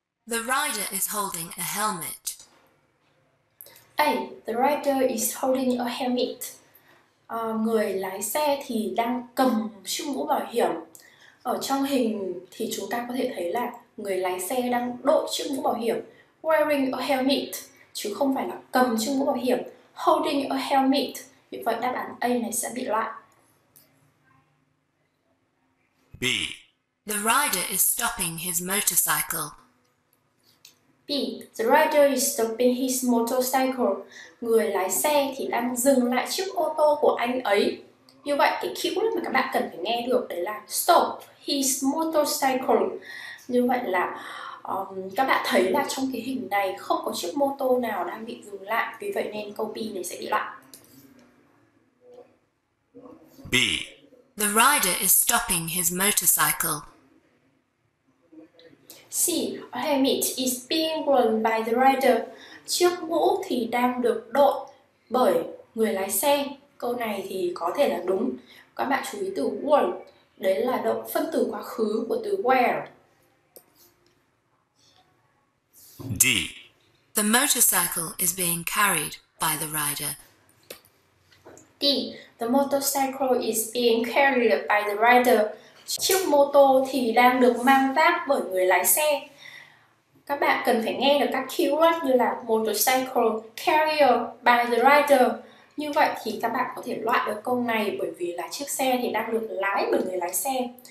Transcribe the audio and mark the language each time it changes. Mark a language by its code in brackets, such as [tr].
[en] The rider is holding a helmet. A. The rider is holding a helmet. [vi] Người lái xe thì đang cầm chiếc mũ bảo hiểm. Ở trong hình thì chúng ta có thể thấy là người lái xe đang đội chiếc mũ bảo hiểm, [en] wearing a helmet, [vi] chứ không phải là cầm chiếc mũ bảo hiểm, [en] holding a helmet. [vi] Vì vậy đáp án A này sẽ bị loại. [en] B. The rider is stopping his motorcycle. B. The rider is stopping his motorcycle. [vi] Người lái xe thì đang dừng lại chiếc ô tô của anh ấy. Như vậy cái keyword mà các bạn cần phải nghe được đấy là [en] stop his motorcycle. [vi] Như vậy là các bạn thấy là trong cái hình này không có chiếc mô tô nào đang bị dừng lại, vì vậy nên câu B này sẽ bị loại. [en] B. The rider is stopping his motorcycle. C. helmet is being worn by the rider. [vi] Chiếc mũ thì đang được đội bởi người lái xe. Câu này thì có thể là đúng. Các bạn chú ý từ worn, đấy là động phân từ quá khứ của từ wear. [en] D. The motorcycle is being carried by the rider. D. The motorcycle is being carried by the rider. [vi] Chiếc mô tô thì đang được mang vác bởi người lái xe. Các bạn cần phải nghe được các keyword như là [en] motorcycle, carrier, by the rider. [vi] Như vậy thì các bạn có thể loại được câu này bởi vì là chiếc xe thì đang được lái bởi người lái xe.